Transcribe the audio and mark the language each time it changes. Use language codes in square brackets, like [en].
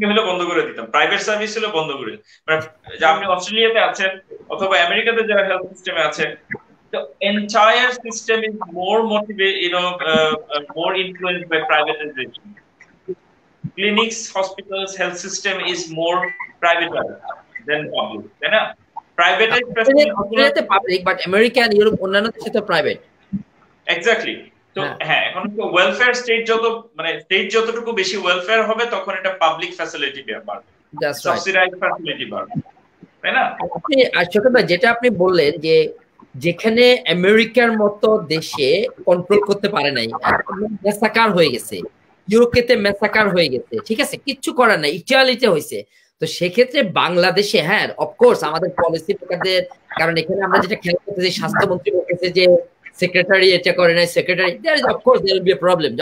[bn] বন্ধ করে দিতাম, প্রাইভেট সার্ভিস হলে বন্ধ করে, আপনি অস্ট্রেলিয়াতে আছেন অথবা আমেরিকাতে যারা হেলথ সিস্টেমে আছেন, [en] The entire system is more motivated, you know, more influenced by privatization. Clinics, hospitals, health system is more privatized than public. Then, privatized public, but America and Europe are not the private. Exactly. [bn] So, এখন তো welfare state যত মানে state যতটুকু বেশি welfare হবে, তখন এটা public facility বাড়বে, subsidized facility বাড়বে, তাই না? আচ্ছা, যেটা আপনি বললেন যে যেখানে আমেরিকার মতো দেশে কন্ট্রোল করতে পারে নাই, মেসাকার হয়ে গেছে, ইউরোপেতে মেসাকার হয়ে গেছে, ঠিক আছে, কিচ্ছু করার নাই, ইটালিতে হয়েছে, তো সেক্ষেত্রে বাংলাদেশে, হ্যাঁ অফকোর্স আমাদের পলিসি প্রকারদের, কারণ এখানে আমরা যেটা খেয়াল করতেছি, স্বাস্থ্যমন্ত্রী বলতেছে যে সেক্রেটারি এটা করে নাই, secretary, [en] That is of course there will be a problem.